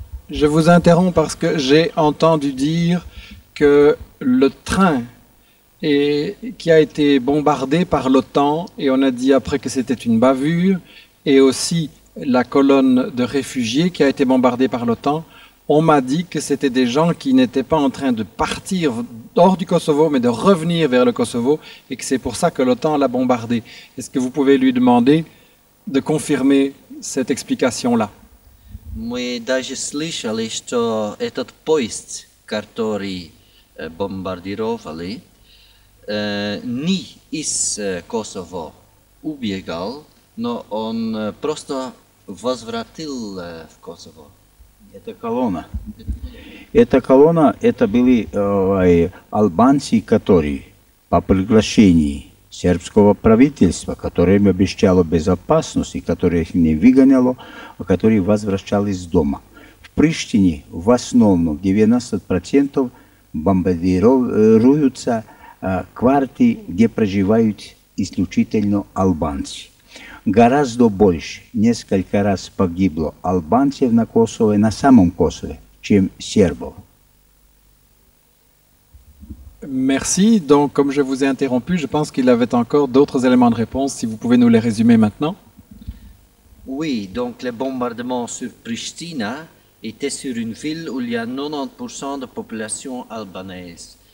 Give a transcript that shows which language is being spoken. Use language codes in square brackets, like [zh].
[fr] Je vous interromps parce que j'ai entendu dire que le train et qui a été bombardé par l'OTAN, et on a dit après que c'était une bavure, et aussi la colonne de réfugiés qui a été bombardée par l'OTAN, on m'a dit que c'était des gens qui n'étaient pas en train de partir hors du Kosovo, mais de revenir vers le Kosovo, et que c'est pour ça que l'OTAN l'a bombardé. Est-ce que vous pouvez lui demander de confirmer cette explication-là? [ru] Мы даже слышали, что этот поезд, который бомбардировали, не из Косово убегал, но он просто возвратил в Косово. Это колонна. Эта колонна, это были албанцы, которые по приглашению сербского правительства, которое им обещало безопасность и которое их не выгоняло, а которые возвращались дома. В Приштине в основном 90% бомбардируются кварты, где проживают исключительно албанцы. Гораздо больше, несколько раз погибло албанцев на Косово, на самом Косово, чем сербов. [fr] Merci. Donc, comme je vous ai interrompu, je pense qu'il avait encore d'autres éléments de réponse, si vous pouvez nous les résumer maintenant. Oui, donc les bombardements sur Pristina étaient sur une ville où il y a 90% de population albanaise.